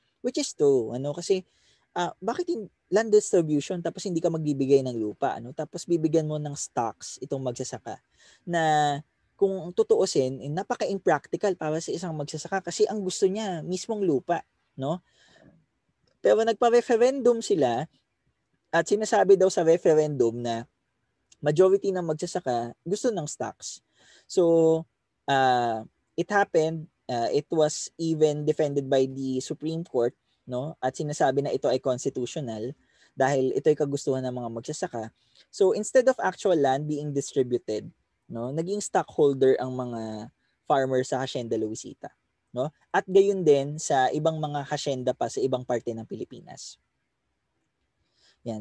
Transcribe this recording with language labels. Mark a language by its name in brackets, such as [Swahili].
[Filipino] Which is true, ano, kasi bakit yung land distribution tapos hindi ka magbibigay ng lupa, ano, tapos bibigyan mo ng stocks itong magsasaka na kung tutuusin, napaka-impractical para sa isang magsasaka kasi ang gusto niya mismong lupa, no? Pero nagpa-referendum sila at sinasabi daw sa referendum na majority ng magsasaka gusto ng stocks. [English] So, it happened. It was even defended by the Supreme Court, no? [Filipino] At sinasabi na ito ay constitutional dahil ito ay kagustuhan ng mga magsasaka. [English] So, instead of actual land being distributed, no, [Filipino] naging stockholder ang mga farmers sa [English] Hacienda Luisita, no? [Filipino] At gayon din sa ibang mga hacienda pa sa ibang parte ng Pilipinas. Yan.